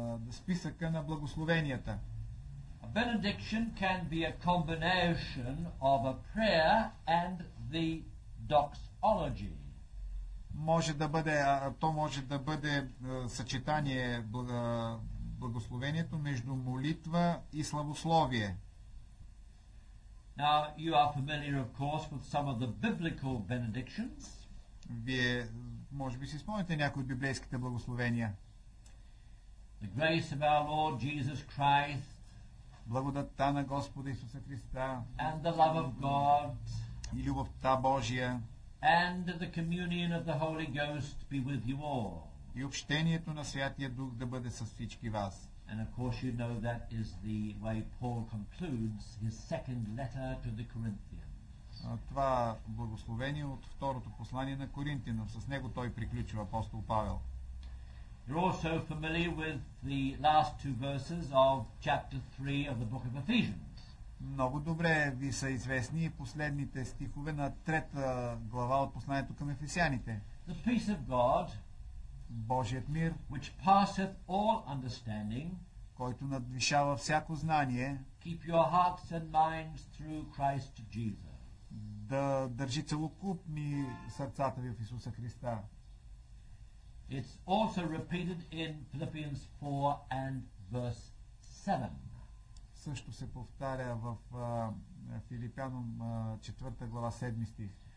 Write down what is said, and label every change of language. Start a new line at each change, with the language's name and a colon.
Bulgarian: Списъка на благословенията.
English: A benediction can be a combination of a prayer and the doxology.
Bulgarian: Може да бъде, то може да бъде съчетание благословението между молитва и славословие.
English: Now you are familiar, of course, with some of the biblical benedictions.
Bulgarian: Вие може би си спомните някои от библейските благословения.
English: The grace of our Lord Jesus Christ.
Bulgarian: Благодатта на Господа Исуса Христа.
English: And the love of God.
Bulgarian: И любовта Божия.
English: And the communion of the Holy Ghost be with you all.
Bulgarian: И общението на Святия Дух да бъде с всички вас.
English: And of course you know that is the way Paul concludes his second letter to the Corinthians.
Bulgarian: Това благословение от второто послание на Коринтина, с него той приключва апостол Павел.
English: You're also familiar with the last two verses of chapter 3 of the book of Ephesians.
Bulgarian: Много добре ви са известни последните стихове на трета глава от посланието към Ефесяните.
English: The peace of God,
Bulgarian: Божият мир,
English: which passeth all understanding,
Bulgarian: който надвишава всяко знание,
English: keep your hearts and minds through Christ Jesus.
Bulgarian: Да държи целокупни сърцата ви в Исуса Христа.
English: It's also repeated in Philippians 4 and verse 7.
Bulgarian: Също се повтаря в Филипянам 4 глава 7 стих.